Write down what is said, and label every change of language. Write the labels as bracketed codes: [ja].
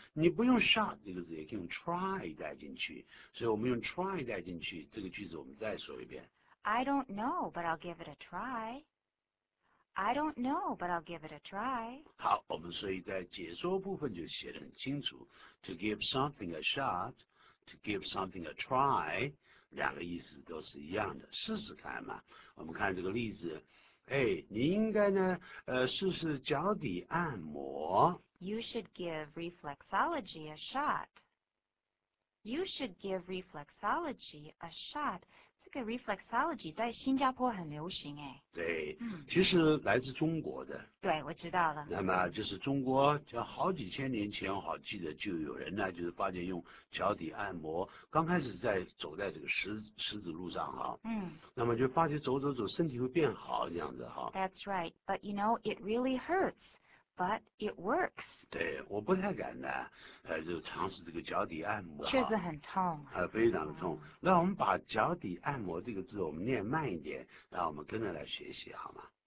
[zh] 你不用 shot 这个字，也可以用 try 带进去。所以我们用 try 带进去，这个句子我们再说一遍。 [en] I don't know, but I'll give it a try. I don't know, but I'll give it a try. [zh] 好，我们所以在解说部分就写得很清楚 ， [en] to give something a shot, to give something a try. [zh] 两个意思都是一样的，试试看嘛。我们看这个例子，哎，你应该呢，试试脚底按摩。 [en] You should give reflexology a shot. You should give reflexology a shot. [zh] 这个 reflexology 在新加坡很流行哎。对，其实来自中国的。对，我知道了。那么就是中国，就好几千年前，好记得就有人呢，就是发现用脚底按摩，刚开始在走在这个石子路上哈。嗯。那么就发觉走，身体会变好这样子哈。 [en] That's right, but you know it really hurts, but it works. [zh] 对，我不太敢呢，就尝试这个脚底按摩。确实很痛。非常的痛。那我们把脚底按摩这个字，我们念慢一点，让我们跟着来学习好吗？